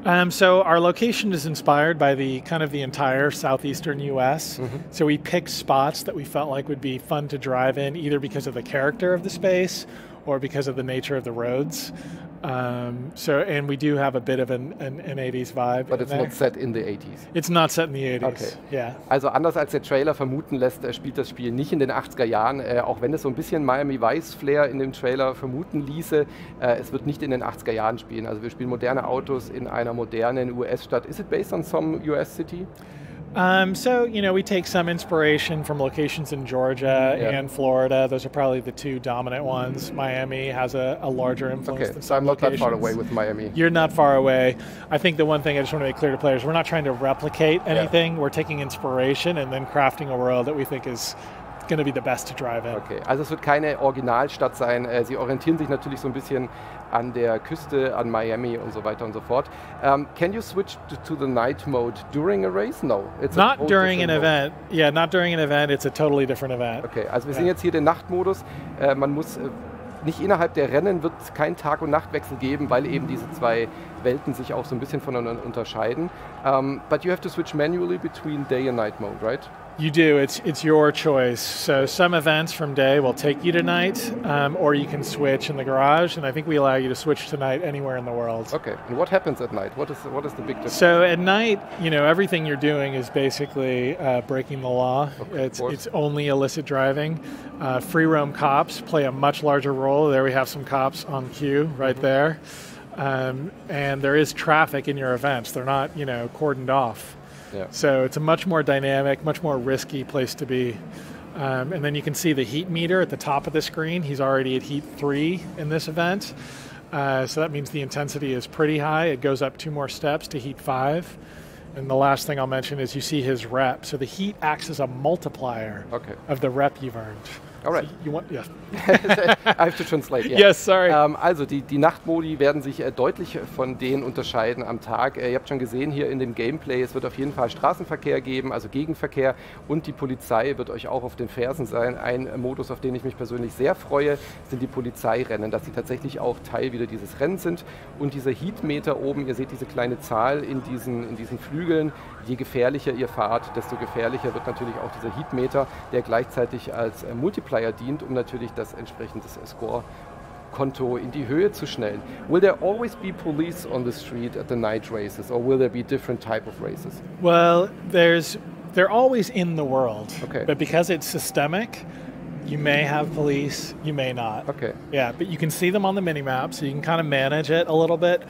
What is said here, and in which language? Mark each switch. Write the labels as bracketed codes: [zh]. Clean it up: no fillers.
[en] So our location is inspired by the kind of the entire southeastern U.S. Mm-hmm. So we picked spots that we felt like would be fun to drive in, either because of the character of the space or because of the nature of the roads. And we do have a bit of an 80s vibe. But it's not set in the 80s. It's not set in the 80s. Okay. Yeah. [de] Also anders als der Trailer vermuten lässt, spielt das Spiel nicht in den 80er Jahren. Auch wenn es so ein bisschen Miami Vice Flair in dem Trailer vermuten ließe, es wird nicht in den 80er Jahren spielen. Also wir spielen moderne Autos in einer modernen US-Stadt. [en] Is it based on some US city? So, you know, we take some inspiration from locations in Georgia and Florida. Those are probably the two dominant ones. Miami has a larger influence than some locations. Okay, so I'm not that far away with Miami. You're not far away. I think the one thing I just want to make clear to players, we're not trying to replicate anything. Yeah. We're taking inspiration and then crafting a world that we think is going to be the best to drive in. [de] Okay, also es wird keine Originalstadt sein. Sie orientieren sich natürlich so ein bisschen an der Küste, an Miami und so weiter und so fort. [en] Can you switch to the night mode during a race? No. It's not during an event. Yeah, not during an event. It's a totally different event. [de] Okay, also wir sind jetzt hier den Nachtmodus. Man muss nicht innerhalb der Rennen wird es keinen Tag- und Nachtwechsel geben, weil eben diese zwei Welten sich auch so ein bisschen voneinander unterscheiden. [en] But you have to switch manually between day and night mode, right? You do. It's your choice. So some events from day will take you to night, or you can switch in the garage. And I think we allow you to switch to night anywhere in the world. Okay. And what happens at night? What is the big difference? So at night, you know, everything you're doing is basically breaking the law. Okay, it's only illicit driving. Free roam cops play a much larger role. There we have some cops on cue right there. And there is traffic in your events. They're not, you know, cordoned off. Yeah. So it's a much more dynamic, much more risky place to be. And then you can see the heat meter at the top of the screen. He's already at heat 3 in this event. So that means the intensity is pretty high. It goes up 2 more steps to heat 5. And the last thing I'll mention is you see his rep. So the heat acts as a multiplier of the rep you've earned. All right. You want, yeah. I have to translate. Yeah. Yes, sorry. [de] Also, die Nachtmodi werden sich deutlich von denen unterscheiden am Tag. Ihr habt schon gesehen hier in dem Gameplay, es wird auf jeden Fall Straßenverkehr geben, also Gegenverkehr. Und die Polizei wird euch auch auf den Fersen sein. Ein Modus, auf den ich mich persönlich sehr freue, sind die Polizeirennen, dass sie tatsächlich auch Teil wieder dieses Rennens sind. Und dieser Heatmeter oben, ihr seht diese kleine Zahl in diesen Flügeln. Je gefährlicher ihr fahrt, desto gefährlicher wird natürlich auch dieser Heatmeter, der gleichzeitig als Multiplier dient, um natürlich das entsprechende Score-Konto in die Höhe zu schnellen. [en] Will there always be police on the street at the night races, or will there be different type of races? Well, they're always in the world. Okay. But because it's systemic, you may have police, you may not. Okay. Yeah, but you can see them on the minimap, so you can kind of manage it a little bit.